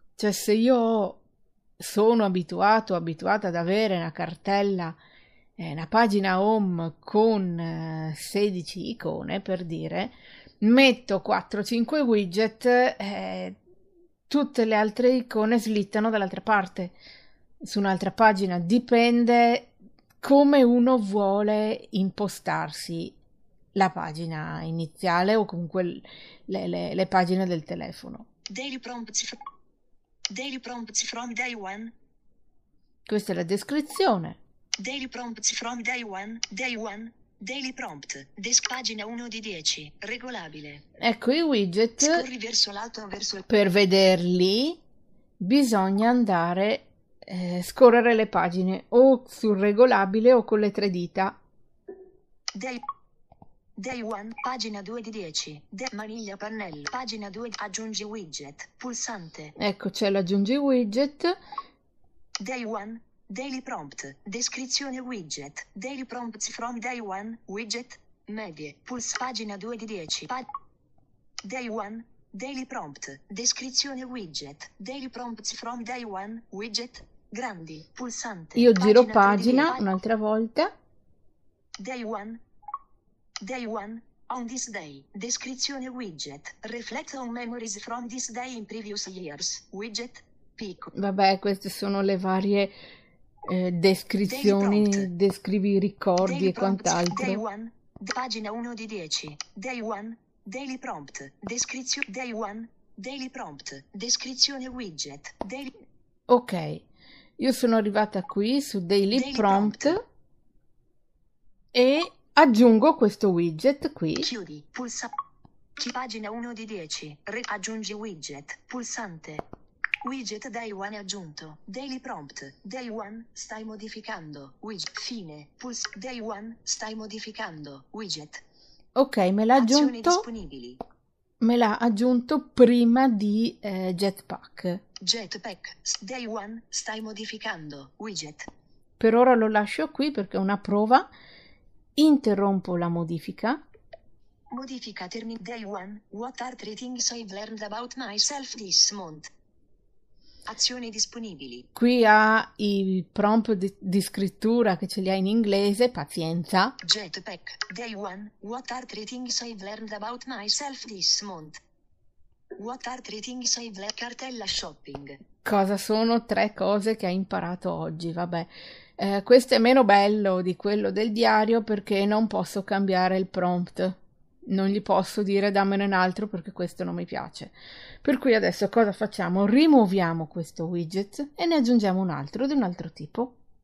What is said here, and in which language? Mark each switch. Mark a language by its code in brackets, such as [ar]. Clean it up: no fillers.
[it] Cioè, se io sono abituata ad avere una cartella, una pagina home con 16 icone, per dire, metto 4-5 widget, tutte le altre icone slittano dall'altra parte, su un'altra pagina. Dipende come uno vuole impostarsi la pagina iniziale o comunque le pagine del telefono. [en] Daily prompts. Daily prompts from day one. [it] Questa è la descrizione. [en] Daily prompts from day one. Day one. Daily prompt. [it] Pagina 1 di 10. Regolabile. Ecco i widget. Scorri verso l'alto o verso il... Per vederli bisogna andare scorrere le pagine o sul regolabile o con le tre dita. Day one. Pagina 2 di 10. Maniglia pannello. Pagina 2. Aggiungi widget. Pulsante. Ecco, c'è l'aggiungi widget. [en] Day one. Daily prompt. [it] Descrizione widget. [en] Daily prompts from day one. [it] Widget. Medie. Pulse. Pagina 2 di 10. [en] Day one. Daily prompt. [it] Descrizione widget. [en] Daily prompts from day one. [it] Widget. Grandi. Pulsante. Io giro pagina un'altra volta. [en] Day one. Day one. On this day. [it] Descrizione widget. [en] Reflect on memories from this day in previous years. [it] Widget. Pico. Vabbè, queste sono le varie descrizioni. Descrivi i ricordi. [en] Daily [it] e quant'altro. [en] Day one. [it] Pagina 1 di 10. [en] Day one. Daily prompt. [it] Descrizione. [en] Day one. Daily prompt. [it] Descrizione widget. Daily... Ok. Io sono arrivata qui su Daily prompt. E... aggiungo questo widget qui. Chiudi. Pulsante. Pagina 1 di 10. Aggiungi widget. Pulsante. Widget day 1 aggiunto. Daily prompt. Day 1. Stai modificando. Widget. Fine. Pulse. Day 1. Stai modificando. Widget. Ok, me l'ha aggiunto. Azioni disponibili. me l'ha aggiunto prima di Jetpack. Jetpack, day one, stai modificando widget. Per ora lo lascio qui perché è una prova. Interrompo la modifica. Modifica termine day one. [en] What are three things I've learned about myself this month? [it] Azioni disponibili. Qui ha i prompt di scrittura che ce li ha in inglese, pazienza. Jetpack, day one. [en] What are three things I've learned about myself this month? What are three things I've learned? [it] Cartella shopping. Cosa sono tre cose che hai imparato oggi? Vabbè, questo è meno bello di quello del diario perché non posso cambiare il prompt. Non gli posso dire dammene un altro perché questo non mi piace. Per cui adesso cosa facciamo? Rimuoviamo questo widget e ne aggiungiamo un altro di un altro tipo.